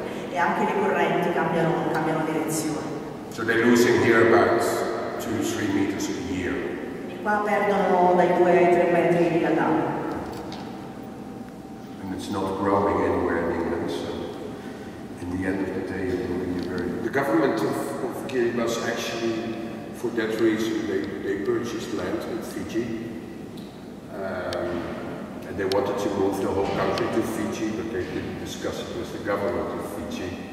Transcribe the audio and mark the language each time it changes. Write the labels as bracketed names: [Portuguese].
[Italian] E anche le correnti cambiano direzione. [English] So they're losing here about 2-3 meters a year. [Italian] Qua perdono dai 2-3 metri di all'anno. [English] And it's not growing anywhere in England, so in the end of the day it will be very. The government of Kiribati actually, for that reason, they purchased land in Fiji. And they wanted to move the whole country to Fiji, but they didn't discuss it with the government of Fiji.